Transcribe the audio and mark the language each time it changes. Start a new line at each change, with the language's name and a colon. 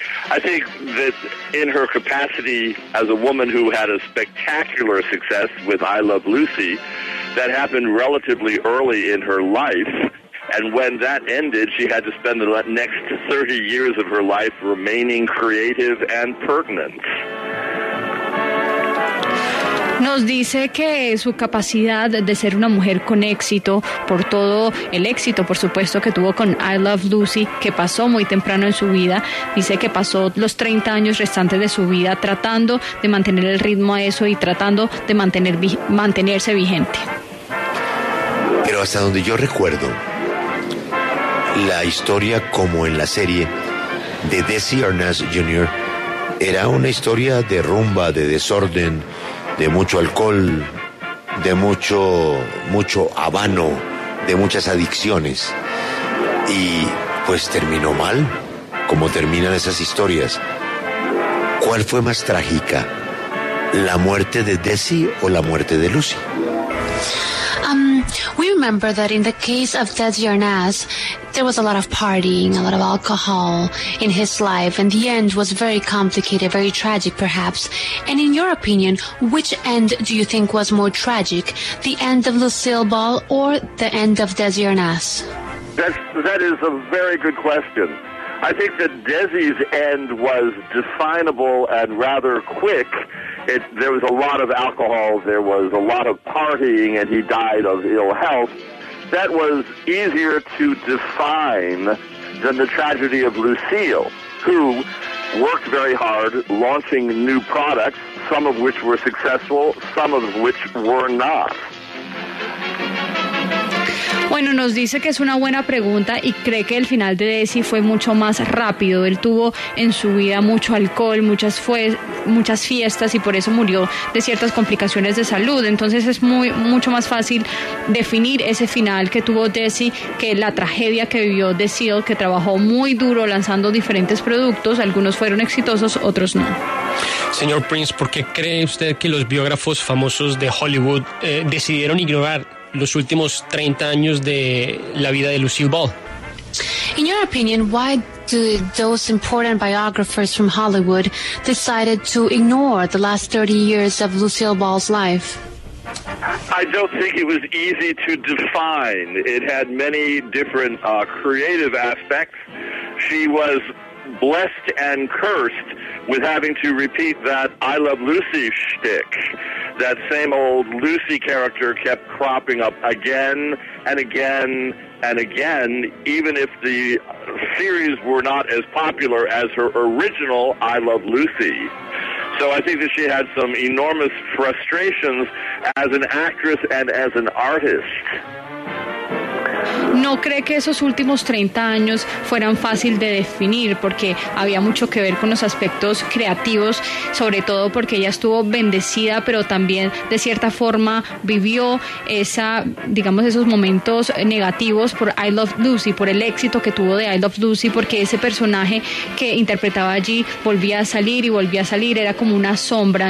English: I think that in her capacity as a woman who had a spectacular success with I Love Lucy, that happened relatively early in her life, and when that ended, she had to spend the next 30 years of her life remaining creative and pertinent.
Spanish: Nos dice que su capacidad de ser una mujer con éxito, por todo el éxito, por supuesto, que tuvo con I Love Lucy, que pasó muy temprano en su vida, dice que pasó los 30 años restantes de su vida tratando de mantener el ritmo a eso y tratando de mantenerse vigente. Pero hasta donde yo recuerdo, la historia, como en la serie, de Desi Arnaz Jr., era una historia de rumba, de desorden, de mucho alcohol, de mucho, mucho habano, de muchas adicciones. Y pues terminó mal, como terminan esas historias. ¿Cuál fue más trágica, la muerte de Desi o la muerte de Lucy?
English: We remember that in the case of Desi Arnaz, there was a lot of partying, a lot of alcohol in his life, and the end was very complicated, very tragic perhaps. And in your opinion, which end do you think was more tragic, the end of Lucille Ball or the end of Desi Arnaz? That is a very good question. I think that Desi's end was definable and rather quick. There was a lot of alcohol, there was a lot of partying, and he died of ill health. That was easier to define than the tragedy of Lucille, who worked very hard launching new products, some of which were successful, some of which were not.
Spanish: Bueno, nos dice que es una buena pregunta y cree que el final de Desi fue mucho más rápido. Él tuvo en su vida mucho alcohol, muchas fiestas y por eso murió de ciertas complicaciones de salud. Entonces es mucho más fácil definir ese final que tuvo Desi que la tragedia que vivió The Seal, que trabajó muy duro lanzando diferentes productos. Algunos fueron exitosos, otros no. Señor Prince, ¿por qué cree usted que los biógrafos famosos de Hollywood decidieron ignorar los últimos 30 años de la vida de Lucille Ball?
English: In your opinion, why do those important biographers from Hollywood decided to ignore the last 30 years of Lucille Ball's life? I don't think it was easy to define. It had many different creative aspects. She was blessed and cursed with having to repeat that I Love Lucy shtick. That same old Lucy character kept cropping up again and again and again, even if the series were not as popular as her original I Love Lucy. So I think that she had some enormous frustrations as an actress and as an artist.
Spanish: ¿No cree que esos últimos 30 años fueran fácil de definir porque había mucho que ver con los aspectos creativos, sobre todo porque ella estuvo bendecida, pero también de cierta forma vivió esos momentos negativos por I Love Lucy, por el éxito que tuvo de I Love Lucy, porque ese personaje que interpretaba allí volvía a salir y volvía a salir, era como una sombra?